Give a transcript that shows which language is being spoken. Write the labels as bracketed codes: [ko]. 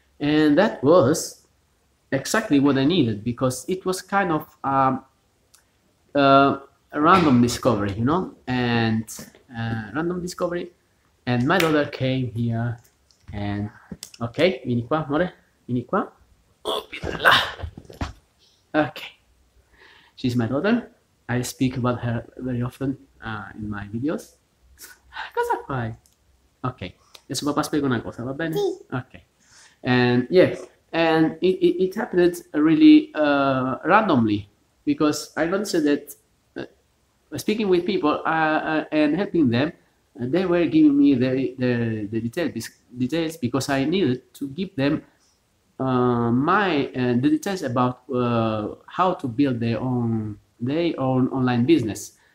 [en] And that was exactly what I needed, because it was kind of a random discovery, you know, and random discovery. And my daughter came here, and okay, [it] vieni qua, amore, vieni qua. [en] Okay, she's my daughter. I speak about her very often in my videos. [it] Cosa fai? Okay, adesso papà spiega una cosa, va bene? Okay. [en] And yes, and it happened really randomly, because I noticed that speaking with people and helping them, they were giving me the details because I needed to give them the details about how to build their own online business.